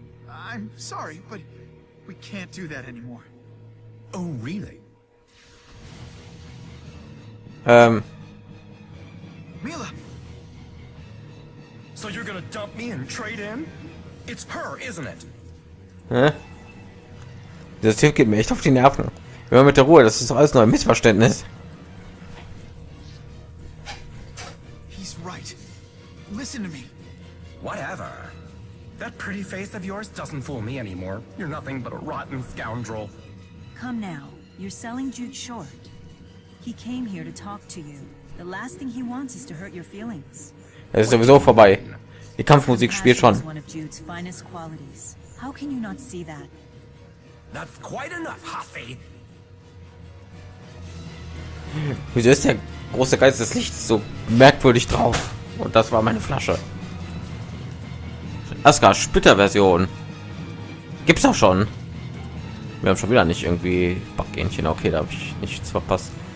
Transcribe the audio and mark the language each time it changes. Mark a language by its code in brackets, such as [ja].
[en] I'm sorry, but we can't do that anymore. Oh, really? Mila! So you're gonna dump me and trade in? It's her, isn't it? Hä? [de] Das Typ geht mir echt auf die Nerven. Hör mit der Ruhe, das ist doch alles nur ein Missverständnis. [en] He's right. Listen to me. Whatever. That pretty face of yours doesn't fool me anymore. You're nothing but a rotten scoundrel. Come now. You're selling Jude short. He came here to talk to you. The last thing he wants is to hurt your feelings. [de] Es ist sowieso vorbei. Die Kampfmusik spielt schon. [en] One of Jude's finest qualities. How can you not see that? That's quite enough, Huffy. [de] Wieso ist der große Geist des Lichts so merkwürdig drauf? Und das war meine Flasche. Asgard Splitter-Version. Gibt's auch schon. Wir haben schon wieder nicht irgendwie Backähnchen. Okay, da habe ich nichts verpasst.